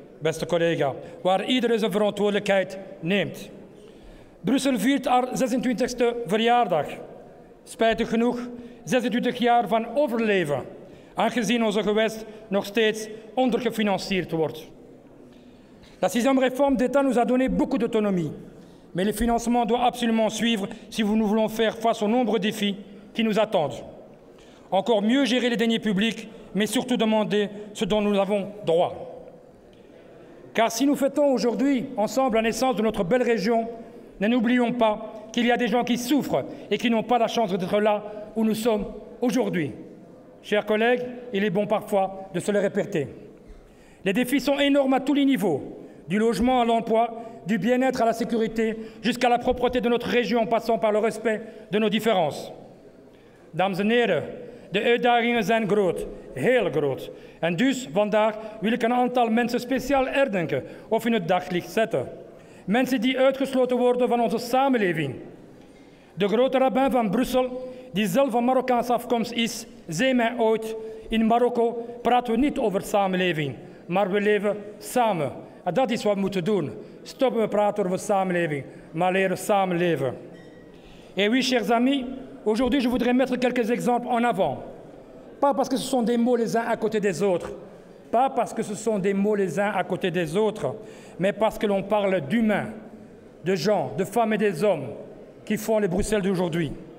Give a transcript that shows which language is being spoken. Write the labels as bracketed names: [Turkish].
[Dutch] Beste collega, waar iedereen zijn verantwoordelijkheid neemt. Brussel viert haar 26e verjaardag. Spijtig genoeg, 26 jaar van overleven, aangezien onze gewest nog steeds ondergefinancierd wordt. [French] La sixième réforme d'État nous a donné beaucoup d'autonomie, mais le financement doit absolument suivre si nous voulons faire face aux nombreux défis qui nous attendent. Encore mieux gérer les deniers publics, mais surtout demander ce dont nous avons droit. Car si nous fêtons aujourd'hui ensemble la naissance de notre belle région, ne n'oublions pas qu'il y a des gens qui souffrent et qui n'ont pas la chance d'être là où nous sommes aujourd'hui. Chers collègues, il est bon parfois de se le répéter. Les défis sont énormes à tous les niveaux, du logement à l'emploi, du bien-être à la sécurité, jusqu'à la propreté de notre région en passant par le respect de nos différences. [Dutch] Dames en heren, de uitdagingen zijn groot, heel groot. En dus vandaag wil ik een aantal mensen speciaal herdenken of in het daglicht zetten. Mensen die uitgesloten worden van onze samenleving. De grote rabbin van Brussel, die zelf van Marokkaanse afkomst is, zei mij ooit, in Marokko praten we niet over samenleving, maar we leven samen. En dat is wat we moeten doen. Stoppen we praten over samenleving, maar leren samenleven. [French] Et oui, chers amis, aujourd'hui je voudrais mettre quelques exemples en avant. Pas parce que ce sont des mots les uns à côté des autres. Pas parce que ce sont des mots les uns à côté des autres, mais parce que l'on parle d'humains, de gens, de femmes et des hommes qui font les Bruxelles d'aujourd'hui.